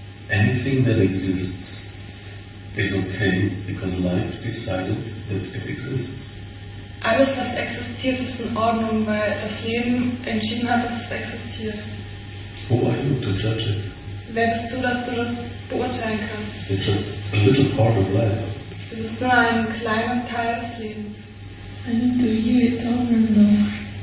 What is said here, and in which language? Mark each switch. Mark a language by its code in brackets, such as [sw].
[en] Anything that exists is okay because life decided that it exists. [de] Alles, was existiert, ist in Ordnung, weil das Leben entschieden hat, dass es existiert. [en] Who are you to judge it? [de] Wer bist du, dass du das beurteilen kannst? [en] It's just a little part of life. [de] Du bist nur ein kleiner Teil des Lebens. [en] I need to hear it over and over.